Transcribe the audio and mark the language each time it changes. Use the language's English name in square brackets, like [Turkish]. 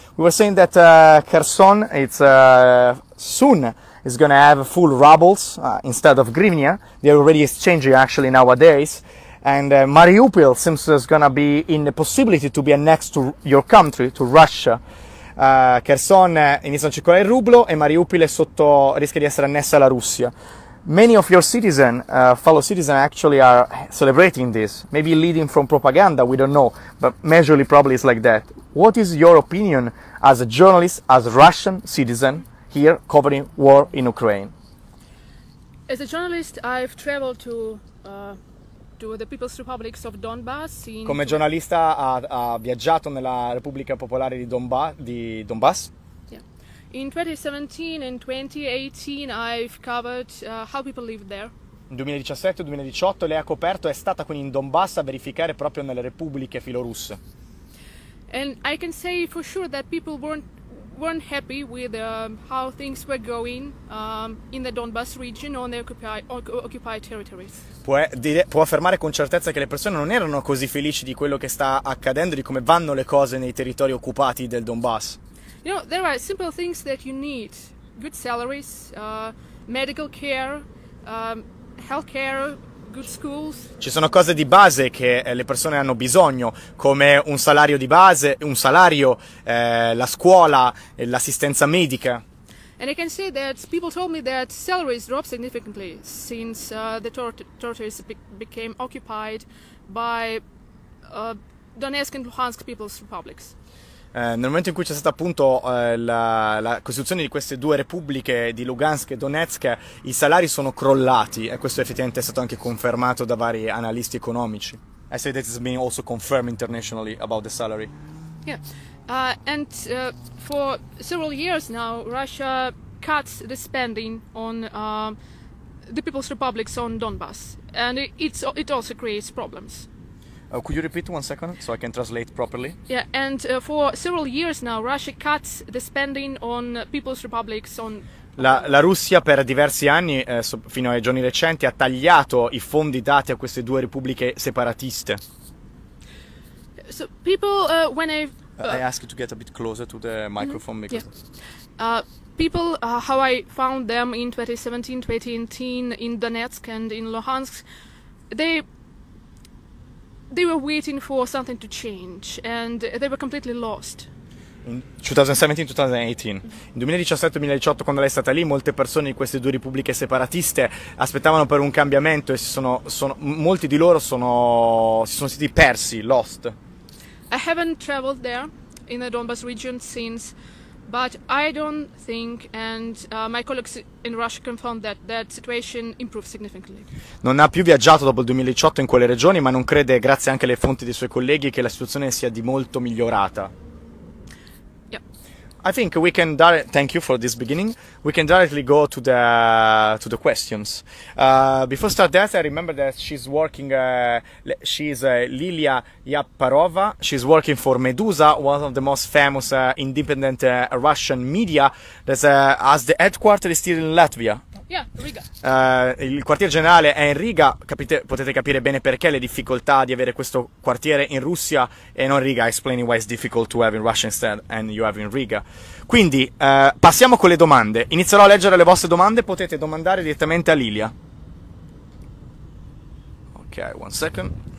[English] We were saying that Kherson, it's soon is going to have full rubles instead of hryvnia. They're already exchanging actually nowadays, and Mariupol seems is going to be in the possibility to be annexed to your country, to Russia. [Italian] Kherson inizia a circolare il rublo e Mariupol è sotto, rischia di essere annessa alla Russia. [English] Many of your citizens, fellow citizens, actually are celebrating this, maybe leading from propaganda, we don't know, but majorly probably it's like that. What is your opinion as a journalist, as a Russian citizen here covering war in Ukraine? As a journalist, I've traveled to the People's Republics of Donbass. [Italian] Come giornalista ha viaggiato nella Repubblica Popolare di Donbass. [English] In 2017 and 2018 I've covered how people live there. [Italian] In 2017 e 2018 lei ha coperto, è stata quindi in Donbass a verificare proprio nelle repubbliche filorusse. [English] And I can say for sure that people weren't happy with how things were going in the Donbass region on the occupied territories. [Italian] Può affermare con certezza che le persone non erano così felici di quello che sta accadendo, di come vanno le cose nei territori occupati del Donbass. [English] You know, there are simple things that you need: good salaries, medical care, health care, good schools. [Italian] Ci sono cose di base che le persone hanno bisogno, come un salario di base, un salario, la scuola, l'assistenza medica. [English] And I can say that people told me that salaries dropped significantly since the territories became occupied by Donetsk and Luhansk People's Republics. [Italian] Nel momento in cui c'è stata appunto la costituzione di queste due repubbliche di Lugansk e Donetsk, i salari sono crollati e questo effettivamente è stato anche confermato da vari analisti economici. [English] I say that has been also confirmed internationally about the salary. Yeah, and for several years now Russia cuts the spending on the People's Republics on Donbass, and it also creates problems. Could you repeat one second so I can translate properly? Yeah, and for several years now Russia cuts the spending on People's Republics on... [Italian] La Russia per diversi anni, fino ai giorni recenti, ha tagliato i fondi dati a queste due repubbliche separatiste. [English] So people, when I... I ask you to get a bit closer to the microphone, because... Yeah. People, how I found them in 2017-2018 in Donetsk and in Luhansk, they were waiting for something to change and they were completely lost. [Italian] In 2017-2018, in 2017-2018, quando lei è stata lì, molte persone di queste due repubbliche separatiste aspettavano per un cambiamento e molti di loro si sono sentiti persi, lost. [English] I haven't traveled there in the Donbass region since, but I don't think, and my colleagues in Russia confirmed that situation improved significantly. [Italian] Non ha più viaggiato dopo il 2018 in quelle regioni, ma non crede, grazie anche alle fonti dei suoi colleghi, che la situazione sia di molto migliorata. [English] Yeah. I think we can thank you for this beginning. We can directly go to the questions. Before start that, I remember that she's working. She's Lilia Yapparova. She's working for Medusa, one of the most famous independent Russian media that has the headquarters still in Latvia. Yeah, Riga. [Italian] Il quartier generale è in Riga. Potete capire bene perché le difficoltà di avere questo quartiere in Russia e non Riga. [English] Explaining why it's difficult to have in Russia instead and you have in Riga. [Italian] Quindi passiamo con le domande. Inizierò a leggere le vostre domande. Potete domandare direttamente a Lilia. [English] Ok, one second.